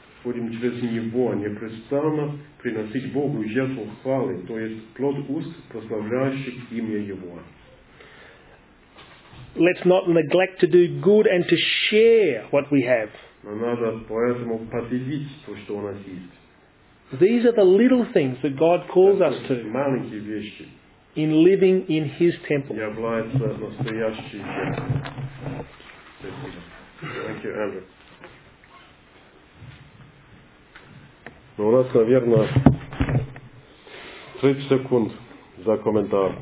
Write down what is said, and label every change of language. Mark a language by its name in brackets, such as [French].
[Russian] Будем через Него непрестанно приносить Богу жертву хвалы, то есть плод уст, прославляющих имя Его. [English] Let's not neglect to do good and to share what we have. [Russian] Но надо поэтому поделить то, что у нас есть. [English] These are the little things that God calls us to. [Russian] Маленькие вещи. [English] In living in His temple. [Russian] Я благодарю за настоящий день. [English] Thank you, Andrew. [Russian] Ну, у нас, наверное, 30 секунд за комментарий.